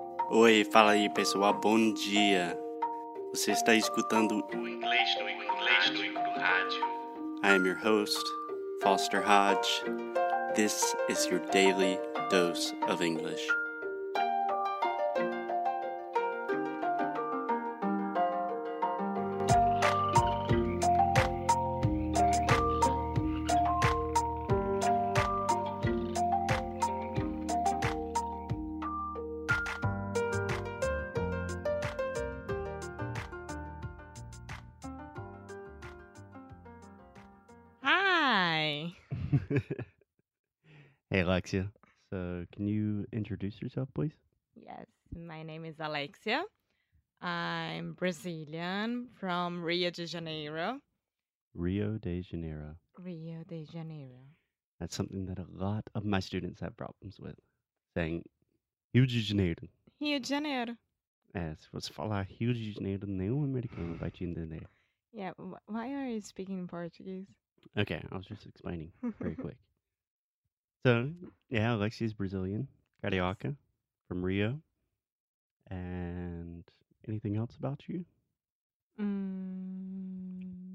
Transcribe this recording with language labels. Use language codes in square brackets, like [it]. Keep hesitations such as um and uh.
[pt] Oi, fala aí pessoal, bom dia. Você está escutando O inglês no inglês no rádio. [en] I am your host, Foster Hodge. This is your daily dose of English. Hi. Hey Alexia. So, can you introduce yourself, please? Yes, my name is Alexia. I'm Brazilian from Rio de Janeiro. Rio de Janeiro. Rio de Janeiro. That's something that a lot of my students have problems with. Saying Rio de Janeiro. Rio de Janeiro. [pt] É, se você falar Rio de Janeiro, nenhum americano vai te entender. [en] Yeah, wh- why are you speaking in Portuguese? Okay, I was just explaining. very quick. So, yeah, Alexia's Brazilian, Carioca, from Rio. And anything else about you? Mm,